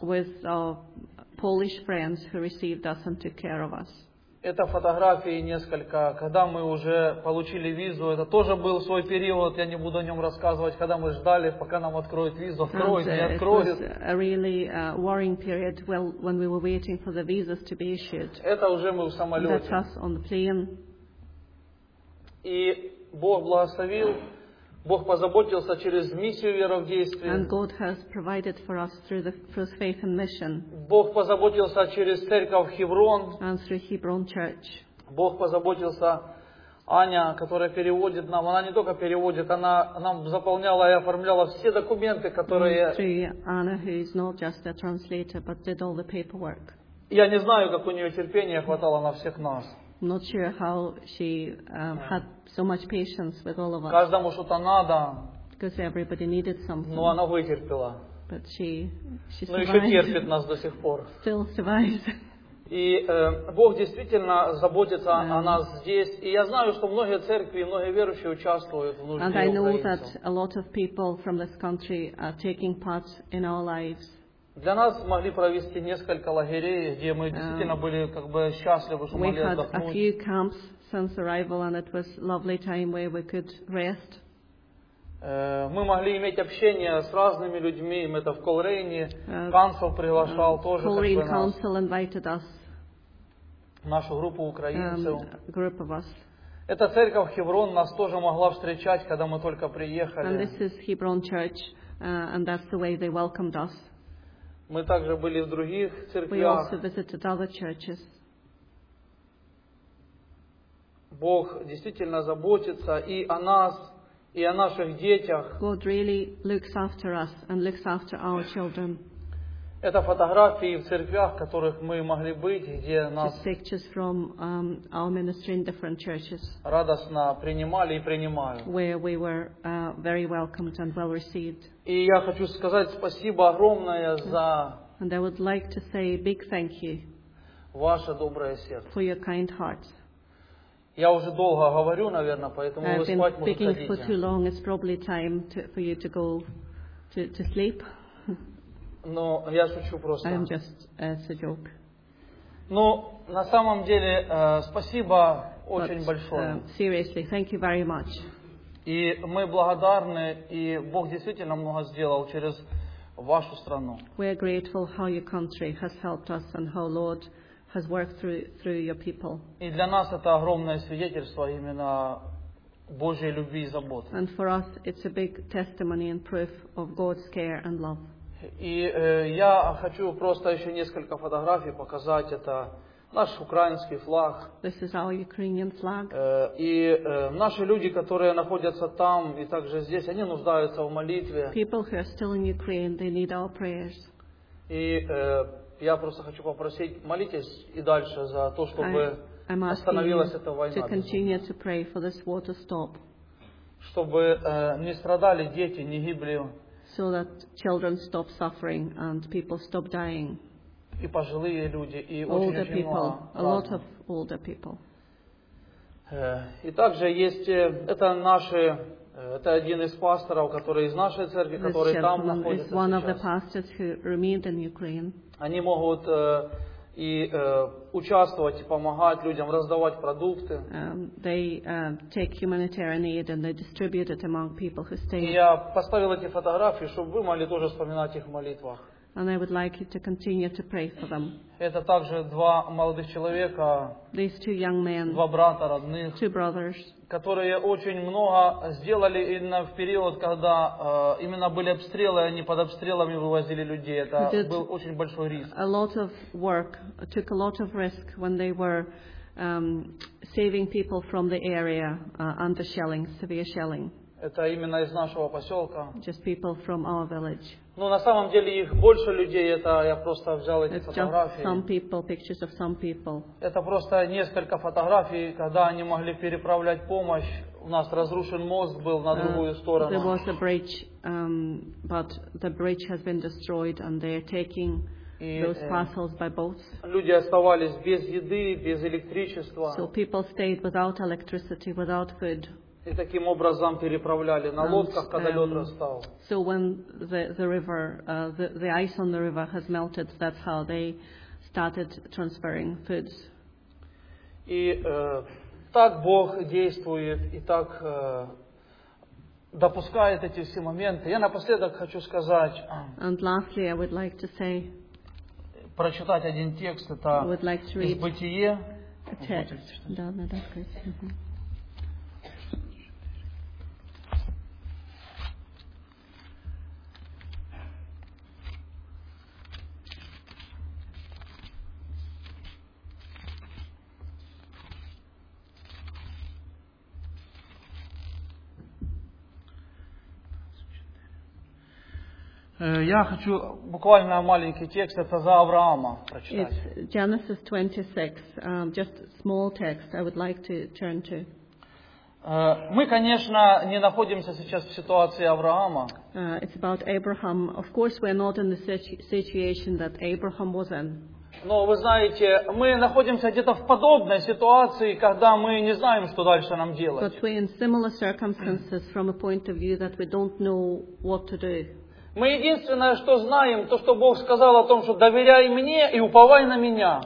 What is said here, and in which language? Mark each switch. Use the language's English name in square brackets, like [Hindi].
[English] With Polish friends who received us and took care of us. [Russian] Это фотографии несколько, когда мы уже получили визу. Это тоже был свой период, я не буду о нем рассказывать, когда мы ждали, пока нам откроют визу. Откроют, не откроют. [English] It was a really worrying period when we were waiting for the visas to be issued. [Russian] Это уже мы в самолете. [English] That's us on the plane. [Russian] И Бог благословил. Бог позаботился через миссию веры в действии. [English] And God has provided for us through through faith and mission. [Russian] Бог позаботился через церковь Хеврон. [English] And through Hebron Church. [Russian] Бог позаботился Аня, которая переводит нам. Она не только переводит, она нам заполняла и оформляла все документы, которые. [English] And through Anna, who is not just a translator, but did all the paperwork. [Russian] Я не знаю, как у нее терпения хватало на всех нас. [English] I'm not sure how she had so much patience with all of us. [Russian] Каждому что-то надо. [English] Because everybody needed something. [Russian] Но она вытерпела. [English] But she survived. [Russian] Но еще терпит нас до сих пор. [English] Still survives. [Russian] И Бог действительно заботится о нас здесь. И я знаю, что многие церкви, многие верующие участвуют в нужде украинцев. [English] And I know that a lot of people from this country are taking part in our lives. [Russian] Для нас могли провести несколько лагерей, где мы действительно были как бы счастливы, что могли отдохнуть. [English] We had a few camps since arrival, and it was lovely time where we could rest. [Russian] Мы могли иметь общение с разными людьми. Мы это в Колрейне Council приглашал тоже. [English] Colrain Council invited us. [Russian] Нашу группу украинцев. [English] Group of us. [Russian] Эта церковь Хеврон нас тоже могла встречать, когда мы только приехали. [English] And this is Hebron Church, and that's the way they welcomed us. [Russian] Мы также были в других церквях. [English] We also visited other churches. [Russian] Бог действительно заботится и о нас, и о наших детях. [English] God really looks after us and looks after our children. [Russian] Это фотографии в церквях, в которых мы могли быть, где нас [English] pictures from our ministry in different churches. [Russian] Радостно принимали и принимают. [English] Where we were very welcomed and well received. [Russian] И я хочу сказать спасибо огромное за [English] And I would like to say a big thank you [Russian] ваше доброе сердце. [English] For your kind heart. [Russian] Я уже долго говорю, наверное, поэтому [English] I've [Russian] вы спать можете. [English] I've been speaking for too long. It's probably time for you to go to sleep. [Russian] Но я шучу просто. [English] I'm just as a joke. [Russian] Но на самом деле спасибо очень большое. [English] Seriously, thank you very much. [Russian] И мы благодарны, и Бог действительно много сделал через вашу страну. [English] We are grateful how your country has helped us and how Lord has worked through your people. [Russian] И для нас это огромное свидетельство именно Божьей любви и заботы. [English] And for us it's a big testimony and proof of God's care and love. [Russian] И я хочу просто еще несколько фотографий показать. Это наш украинский флаг. [English] This is our Ukrainian flag. [Russian] И наши люди, которые находятся там и также здесь, они нуждаются в молитве. [English] People who are still in Ukraine, they need our prayers. [Russian] И я просто хочу попросить, молитесь и дальше за то, чтобы остановилась эта война. [English] To continue to pray for this war to stop. [Russian] Чтобы не страдали дети, не гибли. [English] So that children stop suffering and people stop dying. [Russian] И пожилые люди, и [English] older people, a lot of older people. [Russian] И также есть, это наши, это один из пасторов, который из нашей церкви, который там находится сейчас. [English] This is one of the pastors who remained in Ukraine. [Russian] Они могут и участвовать, и помогать людям, раздавать продукты. [English] They take humanitarian aid and they distribute it among people who stay. [Russian] И я поставил эти фотографии, чтобы вы могли тоже вспоминать их в молитвах. [English] And I would like you to continue to pray for them. [Russian] Это также два молодых человека, [English] these two young men, [Russian] два брата родных, [English] two brothers, [Russian] которые очень много сделали именно в период, когда именно были обстрелы, они под обстрелами вывозили людей. Это был очень большой риск. [English] A lot of work, took a lot of risk when they were saving people from the area under shelling, severe shelling. [Russian] Это именно из нашего поселка. [English] Just people from our village. [Russian] Ну, на самом деле их больше людей, это я просто взял эти [English] It's [Russian] фотографии. [English] Just some people, pictures of some people. [Russian] Это просто несколько фотографий, когда они могли переправлять помощь. У нас разрушен мост был на другую сторону. [English] There was a bridge, but the bridge has been destroyed and they are taking those parcels by boats. [Russian] Люди оставались без еды, без электричества. [English] So people stayed without electricity, without food. [Russian] И таким образом переправляли на лодках, когда лед растаял. [English] So when the river, the ice on the river has melted, that's how they started transferring foods. [Russian] И так Бог действует, и так допускает эти все моменты. Я напоследок хочу сказать. [English] And lastly, I would like to say. [Russian] Прочитать один текст, это [English] would like to [Russian] из Бытие. [English] A text. [Russian] Да, надо сказать. Я хочу буквально маленький текст, это за Авраама прочитать. [English] It's Genesis 26, just small text I would like to turn to. [Russian] Мы, конечно, не находимся сейчас в ситуации Авраама. [English] It's about Abraham. Of course, we're not in the situation that Abraham was in. [Russian] Но, вы знаете, мы находимся где-то в подобной ситуации, когда мы не знаем, что дальше нам делать. [English] But we're in similar circumstances from a point of view that we don't know what to do. [Russian] Мы единственное, что знаем, то, что Бог сказал о том, что доверяй мне и уповай на меня.